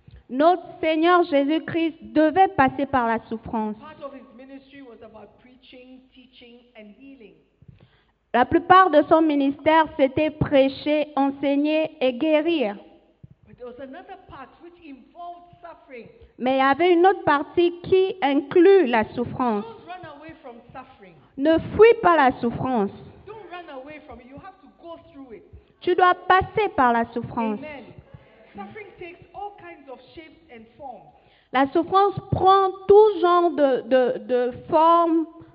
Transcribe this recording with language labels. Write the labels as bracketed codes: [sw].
[fr] Notre Seigneur Jésus-Christ devait passer par la souffrance. [en] ministry was about preaching, teaching, and healing. [fr] La plupart de son ministère, c'était prêcher, enseigner et guérir. [en] But there was another part which involved suffering. [fr] Mais il y avait une autre partie qui inclut la souffrance. [en] Don't run away from suffering. [fr] Ne fuis pas la souffrance. [en] Don't run away from it. You have to go through it. [fr] Tu dois passer par la souffrance. Amen. [en] Suffering takes all kinds of shapes and forms. [fr] La souffrance prend tout genre de forme.